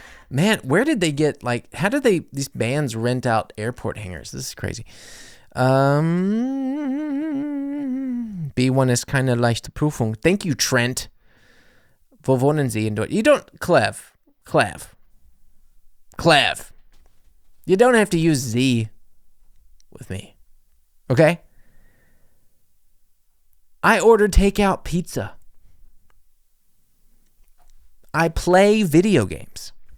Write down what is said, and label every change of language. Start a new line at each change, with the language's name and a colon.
English: Man, where did they get, like, how did they, these bands rent out airport hangars? This is crazy.
German: B1 ist keine leichte Prüfung.
English: Thank you, Trent.
German: Wo wohnen Sie in Deutschland? Clev.
English: You don't have to use Z with me. Okay? I order takeout pizza. I play video games.